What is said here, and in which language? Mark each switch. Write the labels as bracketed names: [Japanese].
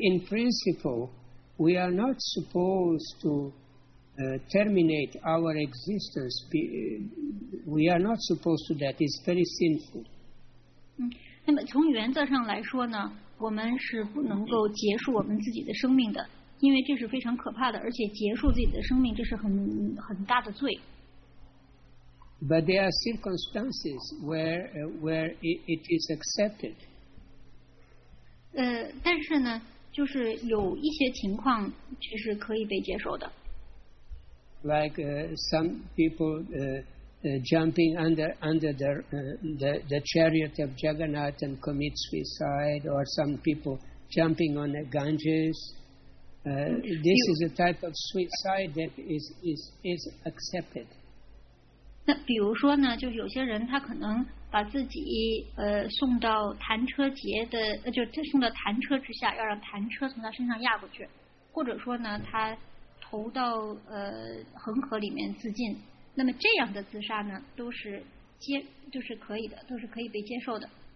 [English] In principle, we are not supposed to terminate our existence. We are not supposed to that. It's very sinful. [Chinese] 那么从原则上来说呢，我们是不能够结束我们自己的生命的。因为这是非常可怕的，而且结束自己的生命，这是很大的罪。 [English] But there are circumstances where it is accepted. [Chinese] 但是呢，就就是有一些情况其实可以被接受的。 [English] Like some people jumping under the chariot of Jagannath and commit suicide, or some people jumping on the Ganges. This is a type of suicide that is accepted. [Chinese] 那比如说呢，就有些人他可能把自己送到弹车节的，就送到弹车之下，要让弹车从他身上压过去，或者说呢，他投到恒河里面自尽。那么这样的自杀呢，都是接，就是可以的，都是可以被接受的。